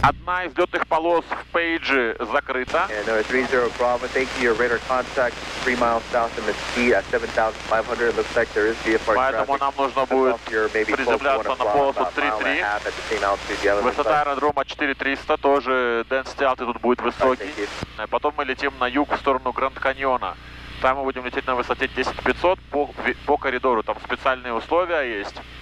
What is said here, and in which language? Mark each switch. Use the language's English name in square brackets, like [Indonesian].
[Russian] Одна из летных полос в пейджи закрыта. [English] Yeah, 30 Bravo, thank you, your radar contact, 3 miles south of Mesquite at 7500, looks like there is VFR traffic. [Russian] Поэтому нам нужно будет приземляться на полосу 3.3. Высота аэродрома 4.300, тоже density altitude будет высокий. Потом мы летим на юг в сторону Гранд Каньона. Там мы будем лететь на высоте 10500 по коридору, там специальные условия есть.